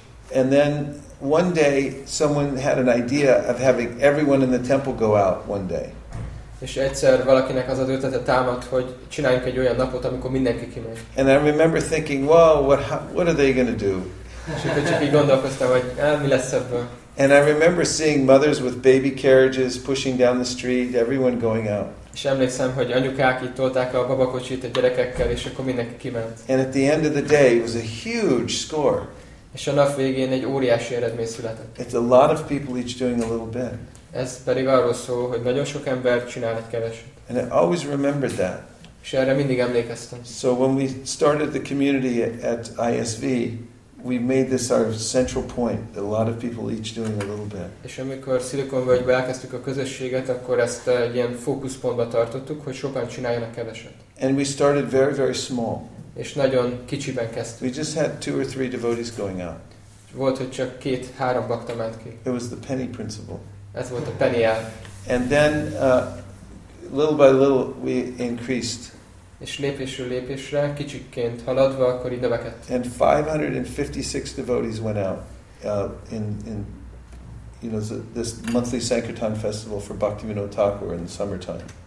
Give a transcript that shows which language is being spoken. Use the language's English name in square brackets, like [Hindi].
[English] And then one day someone had an idea of having everyone in the temple go out one day. [Hungarian] És egyszer valakinek az ötlete támadt, hogy csináljunk egy olyan napot, amikor mindenki kimegy. [English] And I remember thinking, well, what are they going to do? [Hungarian] És akkor csak így gondolkoztam, hogy mi lesz ebből. [English] And I remember seeing mothers with baby carriages pushing down the street, everyone going out. [Hungarian] És emlékszem, hogy anyukák itt tolták a babakocsit a gyerekekkel, és akkor mindenki kiment. [English] And at the end of the day, it was a huge score. [Hungarian] És a nap végén egy óriási eredmény született. [English] It's a lot of people each doing a little bit. [Hungarian] Ez pedig arról szól, hogy nagyon sok ember csinál egy keveset. [English] And I always remembered that. [Hungarian] És erre mindig emlékeztem. [English] So when we started the community at ISV, we made this our central point, a lot of people each doing a little bit. [Hungarian] És amikor Silicon Valley-be elkezdtük a közösséget, akkor ezt egy ilyen fókuszpontba tartottuk, hogy sokan csináljanak keveset. [English] And we started very, very small. [Hungarian] És nagyon kicsiben kezdtük. [English] We just had two or three devotees going out. [Hungarian] Volt, hogy csak két-három bakta ment ki. [English] It was the penny principle. [Hungarian] Ez volt a penny elv. [English] And then, little by little, we increased. [Hungarian] És lépésről lépésre, kicsikként haladva, akkor így növekedt. [English] And 556 devotees went out in this monthly Sankirtan festival for Bhaktivinoda Thakur in the summertime.